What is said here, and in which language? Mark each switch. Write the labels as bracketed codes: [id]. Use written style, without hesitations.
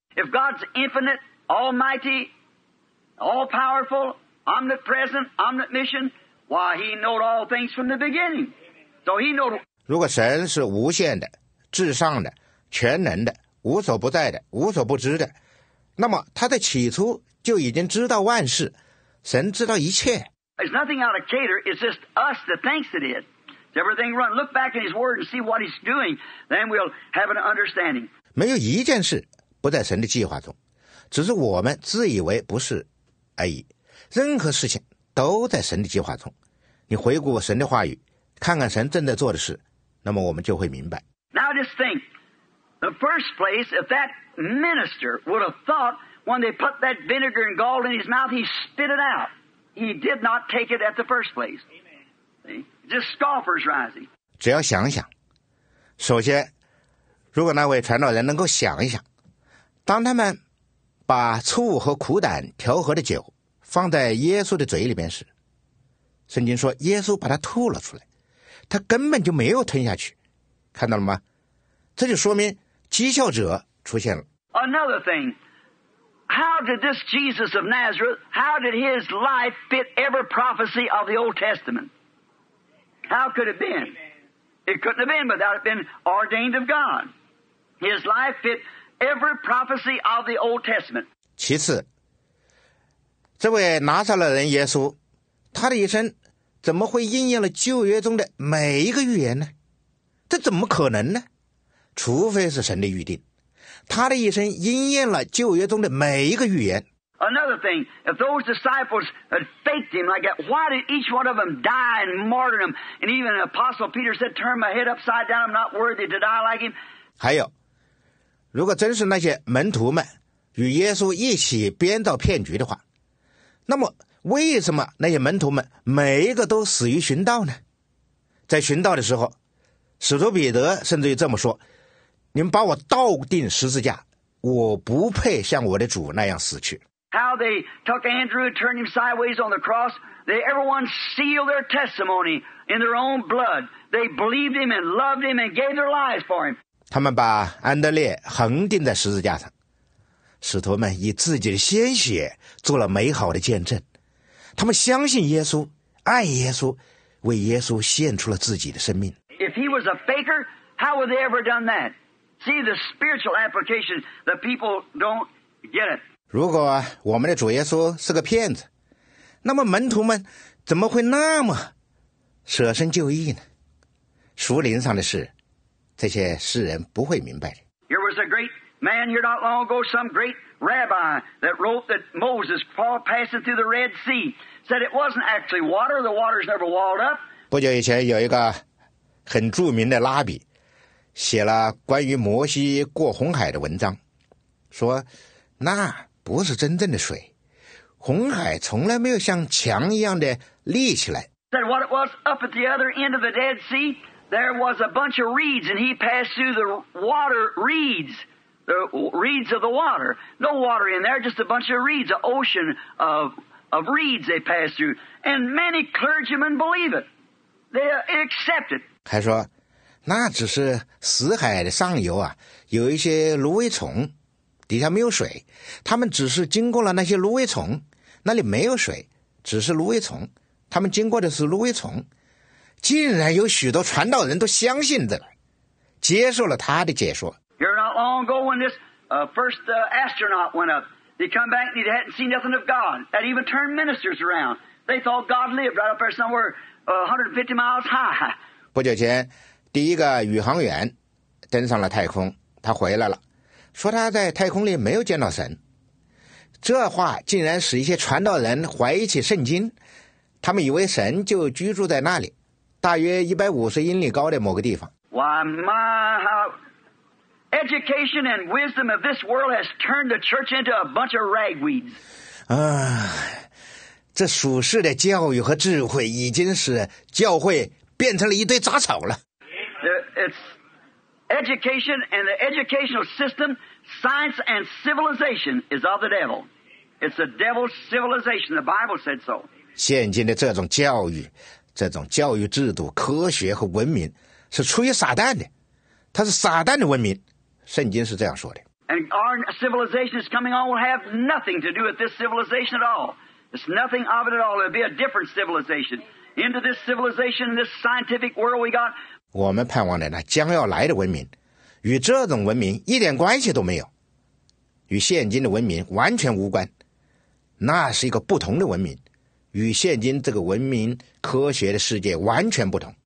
[en] If God's infinite, almighty, all-powerful, omnipresent, omniscient, why, he knowed all things from the beginning. So he knowed... [zh] 如果神是无限的、至上的、全能的、无所不在的、无所不知的，那么他的起初就已经知道万事，神知道一切。 [en] It's nothing out of Cater, it's just us that thinks it is. Everything run, look back in his word and see what he's doing, then we'll have an understanding. [zh] 没有一件事不在神的计划中，只是我们自以为不是而已。任何事情都在神的计划中。你回顾神的话语，看看神正在做的事，那么我们就会明白。 [en] Now just think, the first place, if that minister would have thought when they put that vinegar and gall in his mouth, he spit it out. He did not take it at the first place. See? Just scoffers rising. [zh] 只要想想，首先，如果那位传道人能够想一想，当他们把醋和苦胆调和的酒放在耶稣的嘴里面时，圣经说耶稣把他吐了出来。他根本就没有吞下去，看到了吗？这就说明讥笑者出现了。 [en] Another thing, how did this Jesus of Nazareth, how did his life fit every prophecy of the Old Testament? How could it been? It couldn't have been without it been ordained of God. His life fit every prophecy of the Old Testament. [zh] 其次，这位拿撒勒人耶稣，他的一生怎么会应验了旧约中的每一个预言呢？这怎么可能呢？除非是神的预定，他的一生应验了旧约中的每一个预言。 [en] Another thing, if those disciples had faked him like that, why did each one of them die and martyr him? And even the apostle Peter said, "Turn my head upside down, I'm not worthy to die like him." [zh] 还有，如果真是那些门徒们与耶稣一起编造骗局的话，那么为什么那些门徒们每一个都死于殉道呢？在殉道的时候，使徒彼得甚至于这么说，你们把我倒定十字架，我不配像我的主那样死去。 [en] How they took Andrew and turned him sideways on the cross, they everyone sealed their testimony in their own blood. They believed him and loved him and gave their lives for him. [zh] 他们把安德烈横钉在十字架上，使徒们以自己的鲜血做了美好的见证。他们相信耶稣，爱耶稣，为耶稣献出了自己的生命。 [en] If he was a faker, how would they ever done that? See the spiritual application, the people don't get it. [zh] 如果我们的主耶稣是个骗子，那么门徒们怎么会那么舍身就义呢？属灵上的事，这些世人不会明白的。 [en] There was a great man here not long ago, some great Rabbi that wrote that Moses passing through the Red Sea said it wasn't actually water, the water's never walled up. [zh] 不久以前有一个很著名的拉比写了关于摩西过红海的文章，说那不是真正的水，红海从来没有像墙一样的立起来。 [en] Said what it was up at the other end of the Dead Sea, there was a bunch of reeds and he passed through the water reeds. The reeds of the water. No water in there, just a bunch of reeds, an ocean of reeds they pass through. And many clergymen believe it. They accept it. [zh] 还说，那只是死海的上游啊，有一些芦苇丛，底下没有水。他们只是经过了那些芦苇丛，那里没有水，只是芦苇丛。他们经过的是芦苇丛，竟然有许多传道人都相信的，接受了他的解说。 [en] Long ago when this first astronaut went up, he come back and he hadn't seen nothing of God. That even turned ministers around. They thought God lived right up there somewhere 150 miles high. [zh] 不久前第一个宇航员登上了太空，他回来了，说他在太空里没有见到神。这话竟然使一些传道人怀疑起圣经，他们以为神就居住在那里，大约150英里高的某个地方。 [en] Why, my, howEducation and wisdom of this world has turned the church into a bunch of ragweeds. [zh] 啊，这属世的教育和智慧已经使教会变成了一堆杂草了。 [en] It's education and the educational system, science and civilization is of the devil. It's a devil's civilization. The Bible said so. [zh] 现今的这种教育、这种教育制度、科学和文明是出于撒旦的，它是撒旦的文明。圣经是这样说的。 [en] And our civilization is coming on will have nothing to do with this civilization at all. It's nothing of it at all. It'll be a different civilization. Into this civilization, this scientific world we got. [zh] 我们盼望的呢，将要来的文明，与这种文明一点关系都没有，与现今的文明完全无关。那是一个不同的文明，与现今这个文明科学的世界完全不同。